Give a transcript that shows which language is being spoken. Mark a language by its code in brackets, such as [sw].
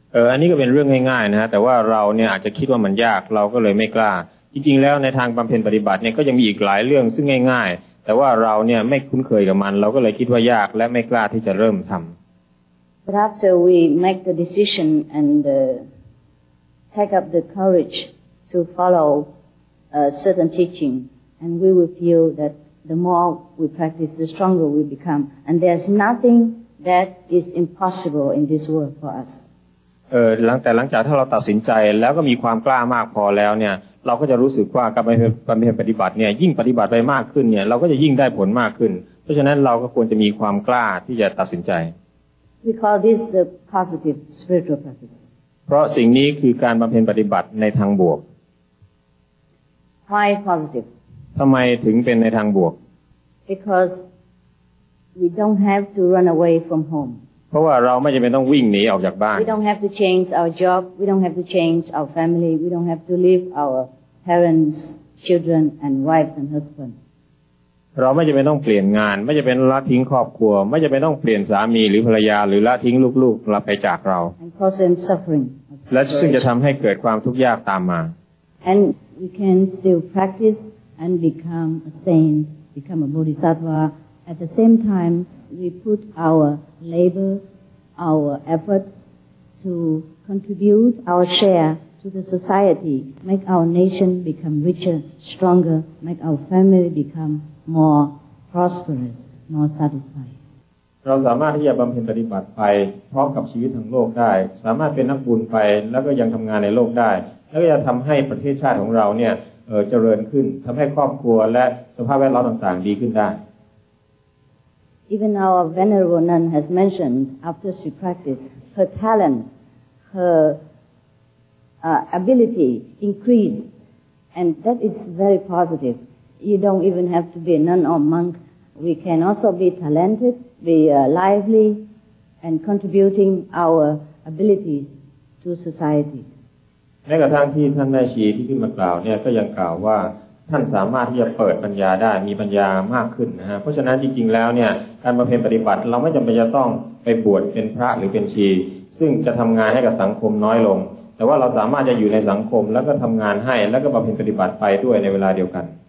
[th] อันนี้ก็เป็นเรื่องง่ายๆนะฮะแต่ว่าเราเนี่ยอาจจะคิดว่ามันยากเราก็เลยไม่กล้าจริงๆแล้วในทางบำเพ็ญปฏิบัติเนี่ยก็ยังมีอีกหลายเรื่องซึ่งง่ายๆแต่ว่าเราเนี่ยไม่คุ้นเคยกับมันเราก็เลยคิดว่ายากและไม่กล้าที่จะเริ่มทำ [en] But after we make the decision and take up the courage to follow a certain teaching, and we will feel that the more we practice, the stronger we become. And there's nothing that is impossible in this world for us. [th] หลังจากถ้าเราตัดสินใจแล้วก็มีความกล้ามากพอแล้วเนี่ยเราก็จะรู้สึกว่าการไปปฏิบัติเนี่ยยิ่งปฏิบัติไปมากขึ้นเนี่ยเราก็จะยิ่งได้ผลมากขึ้น ราะฉะนั้นเราก็ควรจะมีความกล้าที่จะตัดสินใจ [en] We call this the positive spiritual practice [th] เพราะสิ่งนี้คือการบำเพ็ญปฏิบัติในทางบวก [en] Why positive [th] ทำไมถึงเป็นในทางบวก [en] Because we don't have to run away from home [th] เพราะว่าเราไม่จำเป็นต้องวิ่งหนีออกจากบ้าน [en] We don't have to change our job. We don't have to change our family. We don't have to leave our parents, children, and wives and husband. [th] เราไม่จำเป็นต้องเปลี่ยนงานไม่จำเป็นละทิ้งครอบครัวไม่จำเป็นต้องเปลี่ยนสามีหรือภรรยาหรือละทิ้งลูกๆลาไปจากเรา [en] And cause them suffering. [th] และซึ่งจะทำให้เกิดความทุกข์ยากตามมา [en] And we can still practice and become a saint, become a bodhisattva. At the same time, we put ourlabor, our effort to contribute our share to the society, make our nation become richer, stronger, make our family become more prosperous, more satisfied. [th] เราสามารถที่จะบำเพ็ญปฏิบัติไปพร้อมกับชีวิตทั้งโลกได้สามารถเป็นนักบุญไปแล้วก็ยังทำงานในโลกได้แล้วก็จะทำให้ประเทศชาติของเราเนี่ยเจริญขึ้นทำให้ครอบครัวและสภาพแวดล้อมต่างๆดีขึ้นได้ [en] Even our venerable nun has mentioned after she practiced her talent, her ability increased, and that is very positive. You don't even have to be a nun or monk. We can also be talented, be lively, and contributing our abilities to societies. [th] แม้กระทั่งที่ท่านแม่ชีที่ขึ้นมากล่าวเนี่ยก็ยังกล่าวว่าท่านสามารถที่จะเปิดปัญญาได้มีปัญญามากขึ้นนะฮะเพราะฉะนั้นจริงๆแล้วเนี่ยการบำเพ็ญปฏิบัติเราไม่จำเป็นจะต้องไปบวชเป็นพระหรือเป็นชีซึ่งจะทำงานให้กับสังคมน้อยลงแต่ว่าเราสามารถจะอยู่ในสังคมแล้วก็ทำงานให้แล้วก็บำเพ็ญปฏิบัติไปด้วยในเวลาเดียวกัน